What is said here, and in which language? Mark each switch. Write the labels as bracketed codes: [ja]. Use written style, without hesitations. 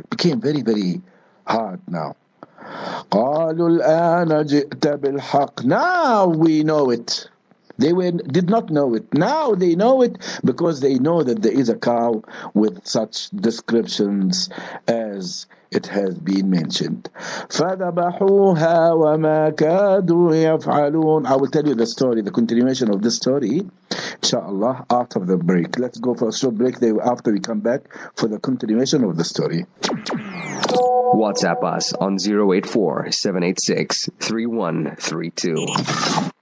[en] It became very, very hard now. [ar] قالوا الآن جئت بالحق. [en] Now we know it. They did not know it. Now they know it because they know that there is a cow with such descriptions as it has been mentioned. [ar] فذبحوها وما كادوا يفعلون. [en] I will tell you the story, the continuation of this story, inshallah, after the break. Let's go for a short break there after we come back for the continuation of the story. WhatsApp us on 084-786-3132.